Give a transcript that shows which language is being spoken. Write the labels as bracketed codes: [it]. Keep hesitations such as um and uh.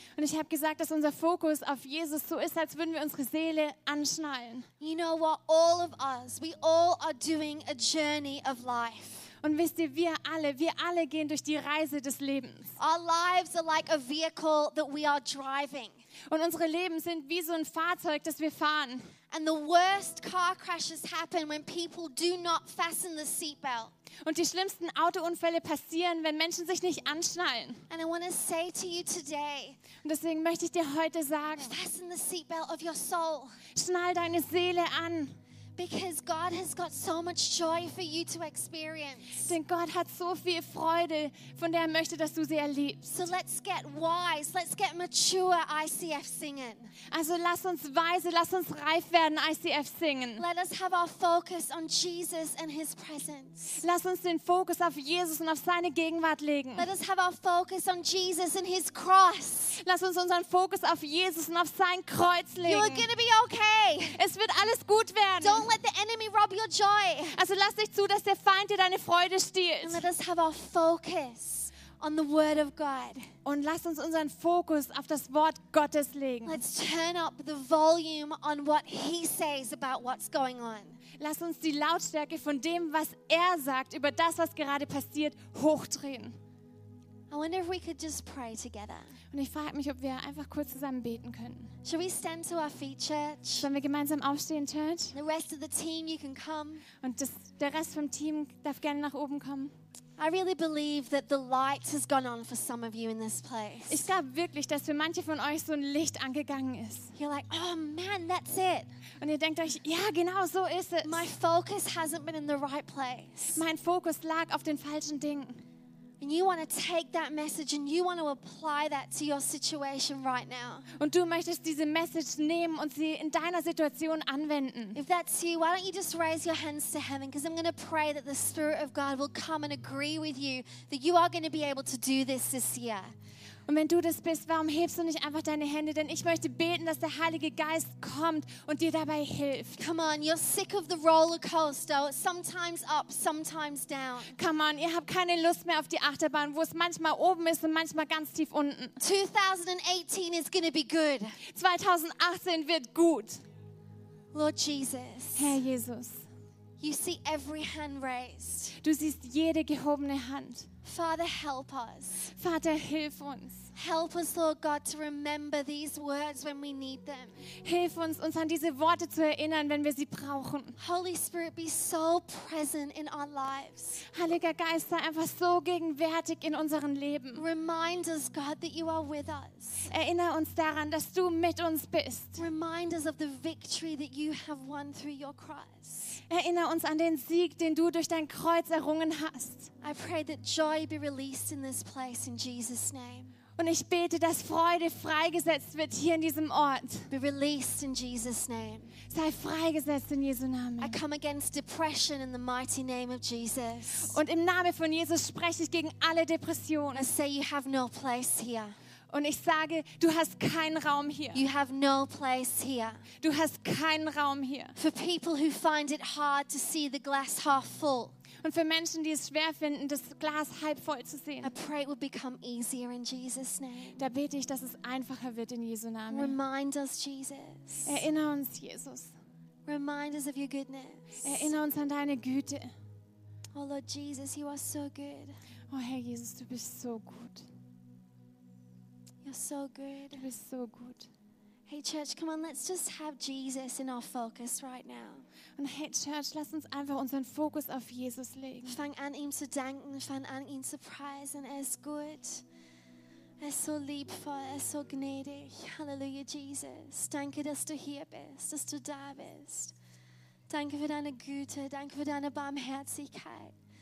[de] Und ich habe gesagt, dass unser Fokus auf Jesus so ist, als würden wir unsere Seele anschnallen. [en] You know what? All of us, we all are doing a journey of life. [de] Und wisst ihr, wir alle, wir alle gehen durch die Reise des Lebens. [en] Our lives are like a vehicle that we are driving. [de] Und unsere Leben sind wie so ein Fahrzeug, das wir fahren. [en] And the worst car crashes happen when people do not fasten the seatbelt. [de] Und die schlimmsten Autounfälle passieren, wenn Menschen sich nicht anschnallen. [en] And I want to say to you today [de] Und deswegen möchte ich dir heute sagen, [en] fasten the seatbelt of your soul [de] schnall deine Seele an. [en] because God has got so much joy for you to experience. [de] Denn Gott hat so viel Freude, von der er möchte, dass du sie erlebst. [en] So let's get wise, let's get mature ICF singing. [de] Also lass uns weise, lass uns reif werden, ICF singen. [en] Let us have our focus on Jesus and his presence. [de] Lass uns den Fokus auf Jesus und auf seine Gegenwart legen. [en] Let us have our focus on Jesus and his cross. [de] Lass uns unseren Fokus auf Jesus und auf sein Kreuz [en] You are [de] legen. [en] going to be okay. [de] Es wird alles gut [en] Don't [de] werden. [en] let the enemy rob your joy. [de] Also lass nicht zu, dass der Feind dir deine Freude [en] And [de] stiehlt. [en] let us have our focus on the Word of God. [de] Und lasst uns unseren Fokus auf das Wort Gottes legen. [en] Let's turn up the volume on what He says about what's going on. [de] Lasst uns die Lautstärke von dem, was er sagt, über das, was gerade passiert, hochdrehen. [en] I wonder if we could just pray together. [de] Und ich frage mich, ob wir einfach kurz zusammen beten können. [en] Shall we stand to our feet, church? [de] Sollen wir gemeinsam aufstehen, Church? [en] The rest of the team, you can come. [de] Und das, der Rest vom Team darf gerne nach oben kommen. [en] I really believe that the light has gone on for some of you in this [de] Ich [en] place. [de] glaube wirklich, dass für manche von euch so ein Licht angegangen ist. [en] You're like, oh man, that's it. [de] Und ihr denkt euch, ja, genau so ist es. [en] My focus hasn't been in the right place. [de] Mein Fokus lag auf den falschen Dingen. [en] And you want to take that message and you want to apply that to your situation right now. [de] Und du möchtest diese Message nehmen und sie in deiner Situation anwenden. [en] If that's you, why don't you just raise your hands to heaven? Because I'm going to pray that the Spirit of God will come and agree with you that you are going to be able to do this this year. [de] Und wenn du das bist, warum hebst du nicht einfach deine Hände? Denn ich möchte beten, dass der Heilige Geist kommt und dir dabei hilft. [en] Come on, you're sick of the roller coaster. It's sometimes up, sometimes down. Come on, [de] ihr habt keine Lust mehr auf die Achterbahn, wo es manchmal oben ist und manchmal ganz tief unten. [en] 2018 is going to be good. [de] 2018 wird gut. [en] Lord Jesus, [de] Herr Jesus, [en] you see every hand raised. [de] du siehst jede gehobene Hand. [en] Father, help us. [de] Vater, hilf uns. [en] Help us, Lord God, to remember these words when we need them. [de] Hilf uns, uns an diese Worte zu erinnern, wenn wir sie brauchen. [en] Holy Spirit, be so present in our lives. [de] Heiliger Geist, sei einfach so gegenwärtig in unseren Leben. [en] Remind us, God, that you are with us. [de] Erinnere uns daran, dass du mit uns bist. [en] Remind us of the victory that you have won through your cross. [de] Erinnere uns an den Sieg, den du durch dein Kreuz errungen hast. [en] I pray that joy be released in this place in Jesus' name. [de] Und ich bete, dass Freude freigesetzt wird hier in diesem Ort. [en] Be released in Jesus' name. [de] Sei freigesetzt in Jesu [en] I [de] Namen. [en] come against depression in the mighty name of Jesus. [de] Und im Namen von Jesus spreche ich gegen alle [en] I [de] Depressionen. [en] say you have no place here. [de] Und ich sage, du hast keinen Raum hier. [en] You have no place here. [de] Du hast keinen Raum hier. [en] For people who find it hard to see the glass half full, [de] Und für Menschen, die es schwer finden, das Glas halb voll zu [en] I [de] sehen, [en] pray it will become easier in Jesus' name. [de] da bete ich, dass es einfacher wird in Jesu Namen. [en] Remind us, Jesus. [de] Erinnere uns, Jesus. [en] Remind us of your goodness. [de] Erinnere uns an deine Güte. [en] Oh Lord Jesus, you are so good. [de] Oh Herr Jesus, du bist so gut. [en] You're so good. [de] Du bist so gut. [en] Hey, church, come on, let's just have Jesus in our focus right now. [de] Und hey Church, lass uns einfach unseren Fokus auf Jesus legen. Fang an, ihm zu danken, fang an, ihn zu preisen. Er ist gut. Er ist so liebvoll, er ist so gnädig. Halleluja, Jesus. Danke, dass du hier bist, dass du da bist. Danke für deine Güte, danke für deine Barmherzigkeit.